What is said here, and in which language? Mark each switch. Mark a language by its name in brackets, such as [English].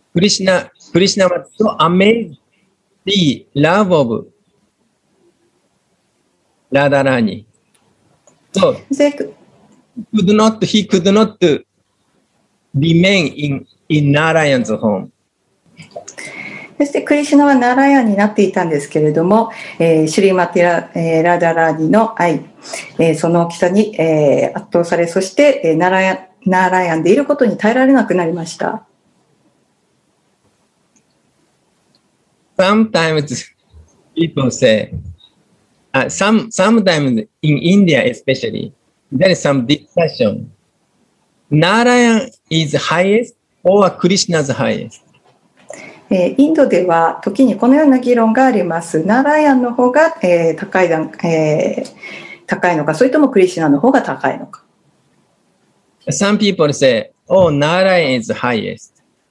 [English] Krishna was so amazed the love of Radharani. So, he could not remain in Narayan's home. [Japanese] そしてクリシュナはナラヤンになっていたんですけれども、シュリーマティラ、ラダラニの愛、その大きさに、圧倒され、そして、ナラヤンでいることに耐えられなくなりました。 [English] Sometimes people say, sometimes in India especially, there is some discussion. Narayan is highest or Krishna's highest? [Japanese] インドでは時にこのような議論があります。ナラヤンの方が、高いのか、それともクリシュナの方が高いのか。 [English] Some people say, oh, Narayan is highest.